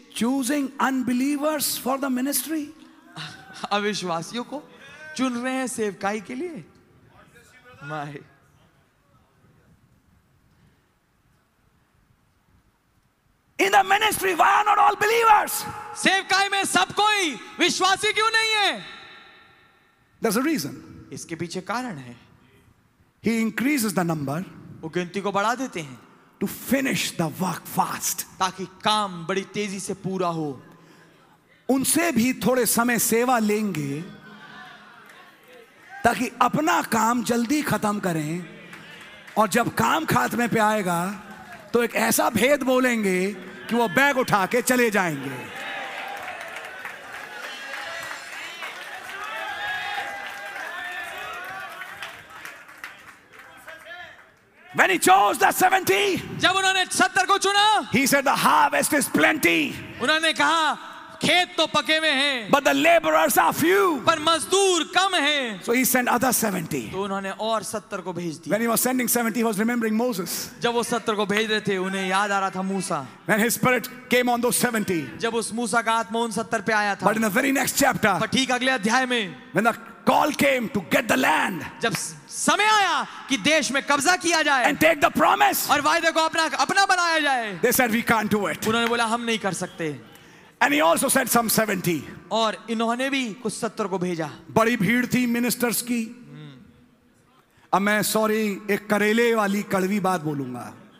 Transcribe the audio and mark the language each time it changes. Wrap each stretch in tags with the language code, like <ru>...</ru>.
<en>choosing unbelievers for the ministry.</en> <hi>Avishwasiyon ko chun rahe hain sevkai ke liye.</hi> <en>My. In the ministry, why are not all believers?</en> <hi>सेवकाई में सब कोई विश्वासी क्यों नहीं है?</hi> <en>There's a reason.</en> <hi>इसके पीछे कारण है.</hi> <en>He increases the number.</en> <hi>वो गिनती को बढ़ा देते हैं.</hi> <en>To finish the work fast.</en> <hi>ताकि काम बड़ी तेजी से पूरा हो. उनसे भी थोड़े समय सेवा लेंगे ताकि अपना काम जल्दी खत्म करें और जब काम खात्मे पे आएगा तो एक ऐसा भेद बोलेंगे कि वो बैग उठा के चले जाएंगे.</hi> <en>When he chose the 70,</en> <hi>जब उन्होंने 70 को चुना,</hi> <en>he said the harvest is plenty.</en> <hi>उन्होंने कहा खेत तो पके हुए हैं,</hi> <en>but the laborers are few.</en> <hi>पर मजदूर कम हैं.</hi> <en>So he sent other 70.</en> <hi>तो उन्होंने और 70 को भेज दिया.</hi> <en>When he was sending 70, he was remembering Moses.</en> <hi>जब वो 70 को भेज रहे थे, उन्हें याद आ रहा था मूसा.</hi> <en>When his spirit came on those 70.</en> <hi>जब उस मूसा का आत्मा उन 70 पे आया था.</hi> <en>But in the very next chapter.</en> <hi>पर ठीक अगले अध्याय में.</hi> <en>When the call came to get the land.</en> <hi>जब समय आया कि देश में कब्जा किया जाए.</hi> <en>And take the promise.</en> <hi>और वायदे को अपना अपना बनाया जाए.</hi> <en>They said we can't do it.</en> <hi>उन्होंने बोला हम नहीं कर सकते.</hi> <en>And he also sent some 70.</en> <hi>और इन्होंने भी कुछ 70 को भेजा. बड़ी भीड़ थी मिनिस्टर्स की. अब मैं सॉरी एक करेले वाली कड़वी बात बोलूंगा.</hi>